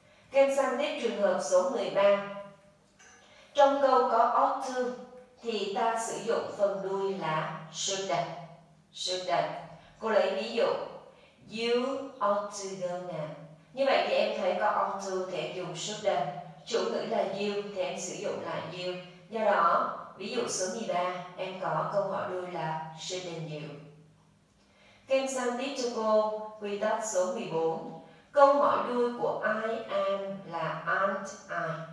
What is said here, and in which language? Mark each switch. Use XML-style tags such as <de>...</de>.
<vi>Kem sang tiếp trường hợp số 13. Trong câu có ought to thì ta sử dụng phần đuôi là shouldn't. Cô lấy ví dụ,</vi> <en>you ought to go now.</en> <vi>Như vậy thì em thấy có ought to thì em dùng shouldn't. Chủ ngữ là you thì em sử dụng là you. Do đó, ví dụ số 13, em có câu hỏi đuôi là</vi> <en>shouldn't you.</en> <vi>Kem sang tiếp cho cô, quy tắc số 14. Câu hỏi đuôi của I am là</vi> <en>aren't I.</en>